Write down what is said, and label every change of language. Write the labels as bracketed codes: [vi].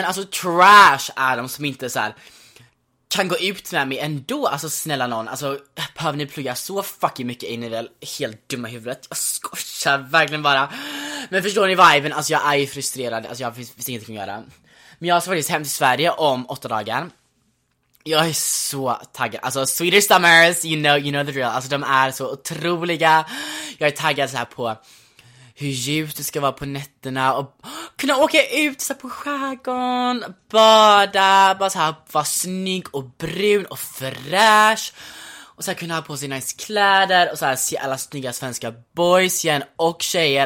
[sv] Men alltså trash är de som inte såhär kan gå ut med mig ändå. Alltså snälla någon, alltså behöver ni plugga så fucking mycket in i det helt dumma huvudet? Jag skojar verkligen bara. Men förstår ni viben? Alltså jag är ju frustrerad. Alltså jag finns ingenting att göra. Men jag ska faktiskt hem till Sverige om 8 dagar. Jag är så taggad. Alltså [en] Swedish summers, you know the drill. [sv] Alltså de är så otroliga. Jag är taggad såhär på hur djupt det ska vara på nätterna och kunna åka ut så på skärgården, bada, bara såhär vara snygg och brun och fräsch. Och såhär kunna ha på sig nice kläder och såhär se alla snygga svenska boys igen och tjejer.